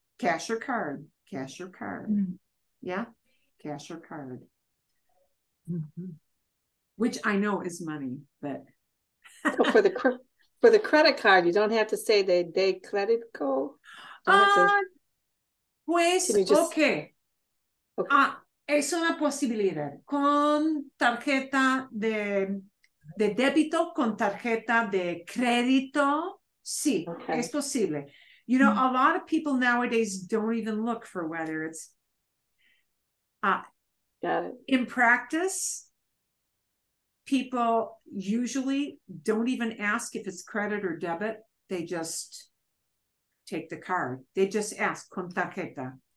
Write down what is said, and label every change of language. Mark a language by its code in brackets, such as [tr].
[en] Cash or card? Cash or card? Mm-hmm. Yeah? Cash or card? Mm-hmm. Which I know is money, but so for the credit card, you don't have to say [es] de crédito. [en] Okay. [es] Es una posibilidad con tarjeta de débito, con tarjeta de crédito. Sí, okay. Es posible. [en] You know, a lot of people nowadays don't even look for whether it's got it. In practice, people usually don't even ask if it's credit or debit. They just take the card. They just ask, [es] con tarjeta.